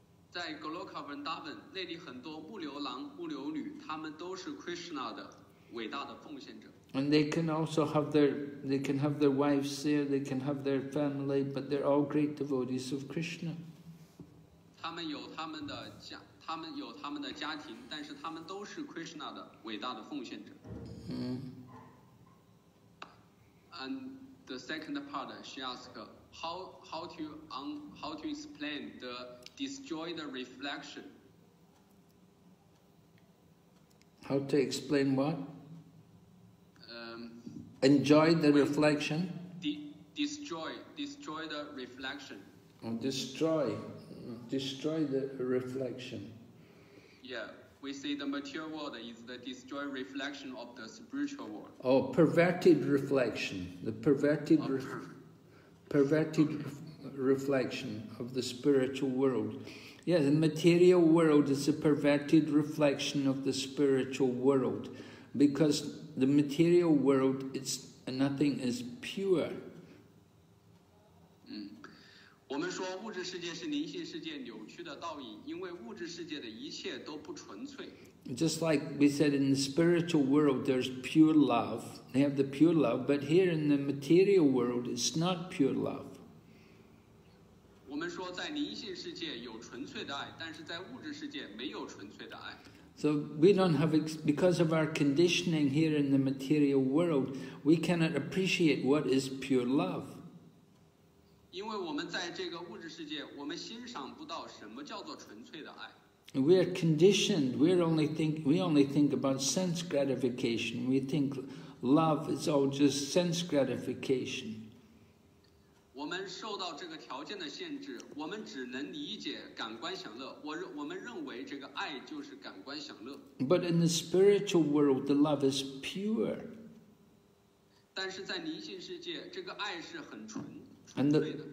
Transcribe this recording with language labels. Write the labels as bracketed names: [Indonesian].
[Chinese] 在 Goloka Vrindavan, 那里很多牧牛郎、牧牛女，他们都是 Krishna 的伟大的奉献者。 [English] And they can also have their wives there, they can have their family, but they're all great devotees of Krishna. [Chinese] 他们有他们的家，他们有他们的家庭，但是他们都是 Krishna 的伟大的奉献者。 [English] And the second part, she asked, how to explain the disjoint reflection? How to explain what? Enjoy the reflection. Destroy the reflection. Oh, destroy the reflection. Yeah, we say the material world is the destroyed reflection of the spiritual world. Oh, perverted reflection. The perverted, perverted reflection of the spiritual world. Yeah, the material world is a perverted reflection of the spiritual world, because. The material world, it's nothing is pure. [Chinese] 我们说物质世界是灵性世界扭曲的倒影，因为物质世界的一切都不纯粹。 [English] Just like we said in the spiritual world, there's pure love. They have the pure love, but here in the material world, it's not pure love. [Chinese] 我们说在灵性世界有纯粹的爱，但是在物质世界没有纯粹的爱。 [English] So we don't have, because of our conditioning here in the material world, we cannot appreciate what is pure love. We are conditioned, we only think about sense gratification. We think love is all just sense gratification. [Chinese] 我们受到这个条件的限制，我们只能理解感官享乐。我们认为这个爱就是感官享乐。 [English] But in the spiritual world, the love is pure. [Chinese] 但是在灵性世界，这个爱是很纯粹的。